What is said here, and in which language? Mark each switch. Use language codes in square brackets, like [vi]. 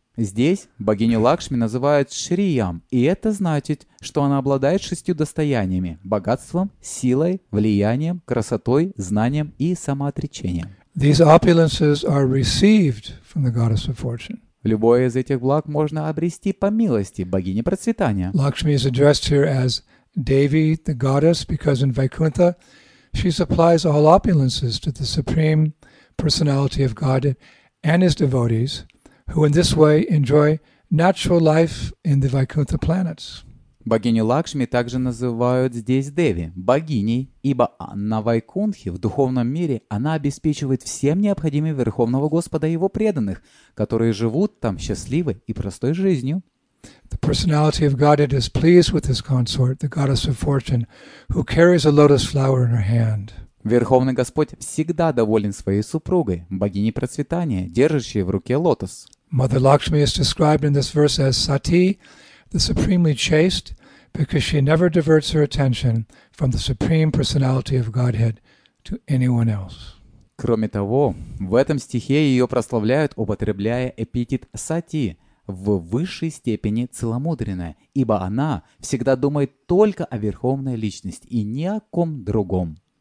[ru] Здесь богиню Лакшми называют Шриям, и это значит, что она обладает шестью достояниями: богатством, силой, влиянием, красотой, знанием и самоотречением. [en] These opulences are received from the goddess of fortune. [ru] Любое из этих благ можно обрести по милости богини процветания. [en] Lakshmi is addressed here as Devi, the goddess, because in Vaikuntha she supplies all opulences to the supreme personality of God and his devotees, who in this way enjoy natural life in the Vaikuntha planets. [ru] Богиню Лакшми также называют здесь Деви, богиней, ибо на Вайкунхе, в духовном мире, она обеспечивает всем необходимым Верховного Господа и Его преданных, которые живут там счастливой и простой жизнью. [en] The personality of Godhead is pleased with his consort, the goddess of fortune, who carries a lotus flower in her hand. [ru] Верховный Господь всегда доволен своей супругой, богиней процветания, держащей в руке лотос. [en] Mother Lakshmi is described in this verse as Sati, the supremely chaste, because she never diverts her attention from the supreme personality of Godhead to anyone else. [ru] Кроме того, в этом стихе ее прославляют, употребляя эпитет Сати, в высшей степени целомудренная, ибо она всегда думает только о Верховной Личности и ни о ком другом.